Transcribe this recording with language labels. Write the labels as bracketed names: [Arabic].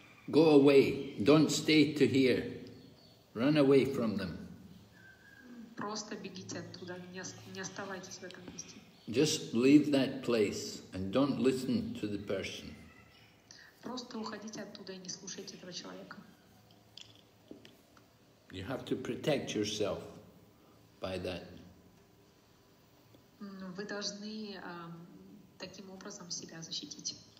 [English] Go away, don't stay to hear, run away from them. [Russian] Просто бегите оттуда, не оставайтесь в этом месте. [English] Just leave that place and don't listen to the person. [Russian] Просто уходите оттуда и не слушайте этого человека. [English] You have to protect yourself by that. [Russian] Вы должны таким образом себя защитить.